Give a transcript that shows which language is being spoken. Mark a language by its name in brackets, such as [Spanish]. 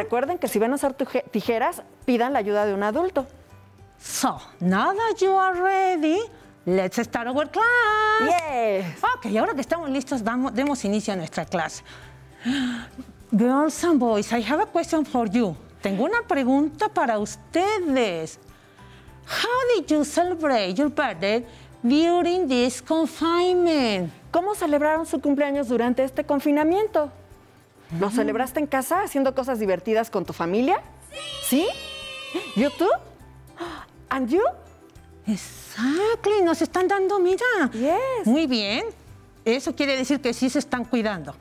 [Spanish] Recuerden que si van a usar tijeras, pidan la ayuda de un adulto. [English] So, now that you are ready, let's start our class. Yes. [Spanish] Ok, ahora que estamos listos, demos inicio a nuestra clase. [English] Girls and boys, I have a question for you. [Spanish] Tengo una pregunta para ustedes. [English] How did you celebrate your birthday during this confinement? [Spanish] ¿Cómo celebraron su cumpleaños durante este confinamiento? ¿Lo celebraste en casa haciendo cosas divertidas con tu familia? Sí. [English] ¿Sí? ¿YouTube? ¿And you? [Spanish] Exactly, nos están dando, mira. [English] Yes. [Spanish] Muy bien. Eso quiere decir que sí se están cuidando.